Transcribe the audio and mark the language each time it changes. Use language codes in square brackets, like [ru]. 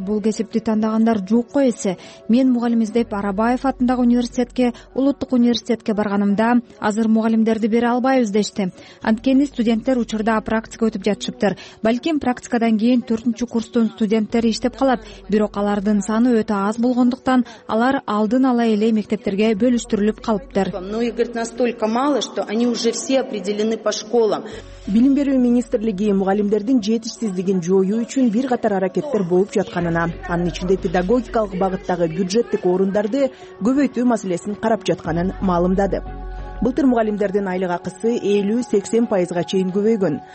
[ky] Бул кесипти тандагандар жокко эсе. Мен мугалим издеп Арабаев атындагы университетке, улуттук университетке барганымда азыр мугалимдерди бере албайбыз дешти. Анткени студенттер учурда практика өтүп жатышыптыр. Балким практикадан кийин 4-курстун студенттери иштеп калат, бирок алардын саны өтө аз болгондуктан алар алдын ала эле мектептерге бөлүштүрүлүп калыптыр. [ru] Многие говорят настолько мало, что они уже все определены по школам. [ky] Билим берүү министрлиги мугалимдердин жетишсиздигин жоюу үчүн бир катар аракеттер болуп жатканына, анын ичинде педагогикалык багыттагы бюджеттик орундарды көбөйтүү маселесин карап жатканын маалымдады. Былтыр мугалимдердин айлык акысы 50-80% чейин көбөйгөн.